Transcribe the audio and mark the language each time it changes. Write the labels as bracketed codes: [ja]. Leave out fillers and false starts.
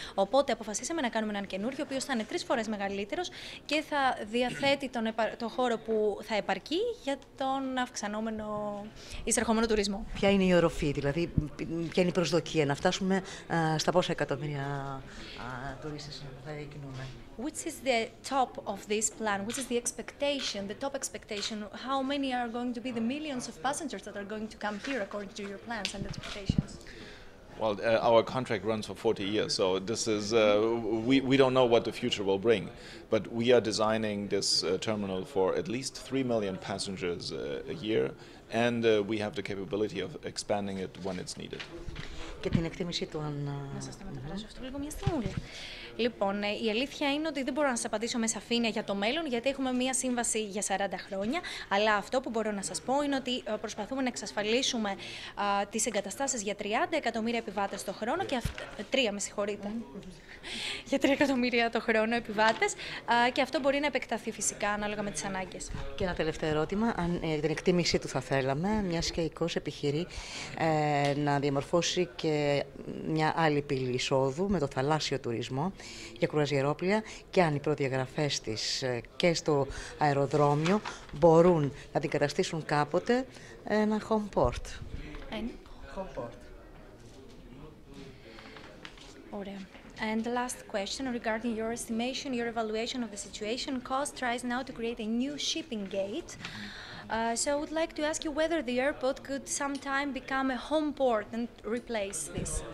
[el] Οπότε αποφασίσαμε να κάνουμε έναν καινούριο, ο οποίος θα είναι 3 φορές μεγαλύτερος και θα διαθέτει τον χώρο που θα επαρκεί για τον αυξανόμενο εισερχόμενο τουρισμό. Ποια είναι η οροφή, δηλαδή, ποια είναι η προσδοκία να φτάσουμε στα πόσα εκατομμύρια τουρίστες θα διακινούμε. [en] Which is the top of this plan? Which is the expectation, the top expectation? How many are going to be the millions of passengers that are going to come here according to your plans and expectations? Well, our contract runs for 40 years, so this is we don't know what the future will bring, but we are designing this terminal for at least 3 million passengers a year, and we have the capability of expanding it when it's needed. [el] Και την εκτίμησή του αν... Να σας το μεταφράσω αυτό λίγο μια στιγμή. Λοιπόν, η αλήθεια είναι ότι δεν μπορώ να σας απαντήσω με σαφήνεια για το μέλλον, γιατί έχουμε μία σύμβαση για 40 χρόνια, αλλά αυτό που μπορώ να σας πω είναι ότι προσπαθούμε να εξασφαλίσουμε τις εγκαταστάσεις για 30 εκατομμύρια επιβάτες το χρόνο και τρία, με συγχωρείτε, για 3 εκατομμύρια το χρόνο επιβάτες και αυτό μπορεί να επεκταθεί φυσικά ανάλογα με τις ανάγκες. Και ένα τελευταίο ερώτημα, αν την εκτίμησή του θα θέλαμε, μια και ΙΚΟΣ επιχειρεί να διαμορφώσει και μια άλλη πύλη εισόδου με το θαλάσσιο τουρισμό για κρουαζιερόπλια και αν οι προδιαγραφές της και στο αεροδρόμιο μπορούν να την καταστήσουν κάποτε ένα home port. [en] Home port. [el] Ωραία. [en] And the last question regarding your estimation, your evaluation of the situation. COS tries now to create a new shipping gate. So I would like to ask you whether the airport could sometime become a home port and replace this.